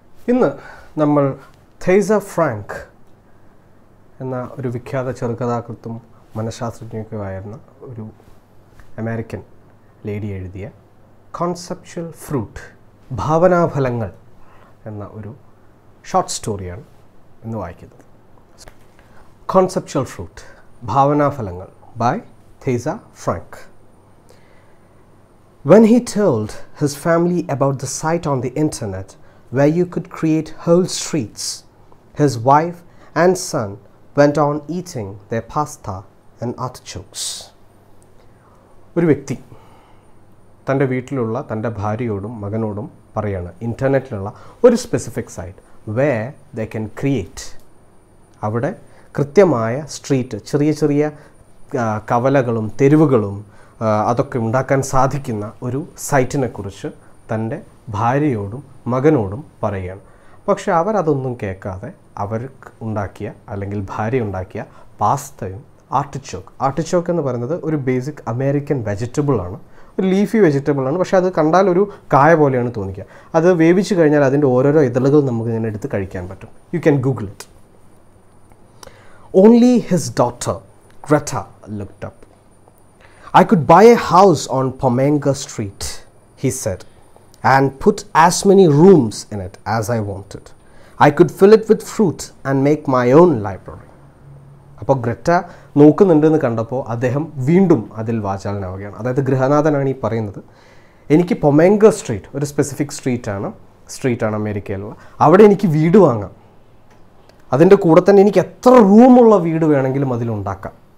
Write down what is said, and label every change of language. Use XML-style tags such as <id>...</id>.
<ml>ഇന്ന് നമ്മൾ തേസ ഫ്രാങ്ക് എന്ന ഒരു വിഖ്യാത ചെറുകഥാകൃത്തും മനഃശാസ്ത്രജ്ഞയൊക്കെയായിരുന്ന ഒരു അമേരിക്കൻ ലേഡി എഴുതിയ കോൺസെപ്ച്വൽ ഫ്രൂട്ട്, ഭാവനാഫലങ്ങൾ എന്ന ഒരു ഷോർട്ട് സ്റ്റോറിയാണ് ഇന്ന് വായിക്കുന്നത്. Conceptual fruit, ഭാവനാഫലങ്ങൾ, by തേസ Frank.</ml> <en>When he told his family about the site on the internet where you could create whole streets, his wife and son went on eating their pasta and artichokes.</en> <ml>ഒരു വ്യക്തി തൻ്റെ വീട്ടിലുള്ള തൻ്റെ ഭാര്യയോടും മകനോടും പറയാണ് ഇൻ്റർനെറ്റിലുള്ള ഒരു specific site</ml> <en>way they can create,</en> <ml>അവിടെ കൃത്യമായ street, ചെറിയ ചെറിയ കവലകളും തെരുവുകളും അതൊക്കെ ഉണ്ടാക്കാൻ സാധിക്കുന്ന ഒരു സൈറ്റിനെക്കുറിച്ച് തൻ്റെ ഭാര്യയോടും മകനോടും പറയുകയാണ്. പക്ഷെ അവരതൊന്നും കേൾക്കാതെ അവർക്ക് ഉണ്ടാക്കിയ അല്ലെങ്കിൽ ഭാര്യ ഉണ്ടാക്കിയ പാസ്തയും ആർട്ടിച്ചോക്ക്, ആർട്ടിച്ചോക്ക് എന്ന് പറയുന്നത് ഒരു ബേസിക് അമേരിക്കൻ വെജിറ്റബിളാണ്, ഒരു ലീഫി വെജിറ്റബിളാണ്. പക്ഷേ അത് കണ്ടാൽ ഒരു കായ പോലെയാണ് തോന്നിക്കുക. അത് വേവിച്ച് കഴിഞ്ഞാൽ അതിൻ്റെ ഓരോരോ ഇതളുകൾ നമുക്ക് ഇങ്ങനെ എടുത്ത് കഴിക്കാൻ പറ്റും.</ml> <en>You can Google it. Only his daughter Greta looked up. I could buy a house on Pomanga Street, he said, and put as many rooms in it as I wanted. I could fill it with fruit and make my own library.</en> <ml>അപ്പോൾ Greta നോക്കുന്നുണ്ടെന്ന് കണ്ടപ്പോൾ അദ്ദേഹം വീണ്ടും അതിൽ വാചാലനാവുകയാണ്. അതായത് ഗൃഹനാഥനാണ് ഈ പറയുന്നത്, എനിക്ക് പൊമേങ്ക street, ഒരു സ്പെസിഫിക് സ്ട്രീറ്റാണ് അമേരിക്കയിലുള്ള, അവിടെ എനിക്ക് വീട് വാങ്ങാം. അതിൻ്റെ കൂടെ തന്നെ എനിക്ക് എത്ര റൂമുള്ള വീട് വേണമെങ്കിലും അതിലുണ്ടാക്കാം.</ml>